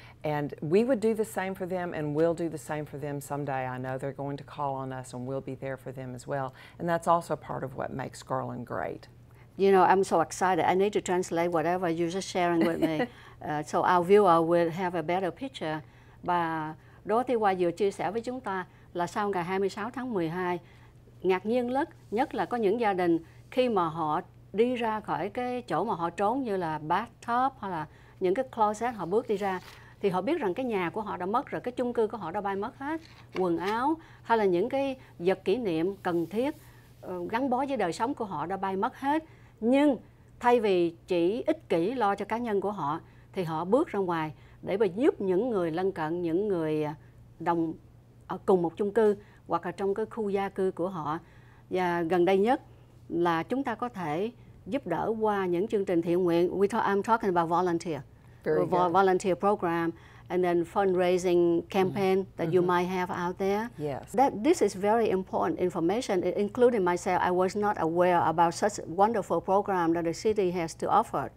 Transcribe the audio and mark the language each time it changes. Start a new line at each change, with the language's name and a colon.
English: And we would do the same for them, and we'll do the same for them someday. I know they're going to call on us, and we'll be there for them as well. And that's also part of what makes Garland great. You know, I'm so excited. I need to translate whatever you're just sharing with me, so our viewer will have a better picture.
Vietnamese: Bà Dorothy White vừa chia sẻ với chúng ta là sau ngày 26 tháng 12, ngạc nhiên lắm, nhất là có những gia đình khi mà họ đi ra khỏi cái chỗ mà họ trốn, như là bathtub hoặc là những cái closet, họ bước đi ra thì họ biết rằng cái nhà của họ đã mất rồi, cái chung cư của họ đã bay mất hết, quần áo hay là những cái vật kỷ niệm cần thiết gắn bó với đời sống của họ đã bay mất hết. Nhưng thay vì chỉ ích kỷ lo cho cá nhân của họ thì họ bước ra ngoài để mà giúp những người lân cận, những người đồng ở cùng một chung cư hoặc là trong cái khu gia cư của họ. Và gần đây nhất là chúng ta có thể giúp đỡ qua những chương trình thiện nguyện.
English: I'm talking about volunteer. Very good. Volunteer program and then fundraising campaign mm-hmm. that mm-hmm. you might have out there. Yes. This is very important information, including myself. I was not aware about such wonderful program that the city has to offer.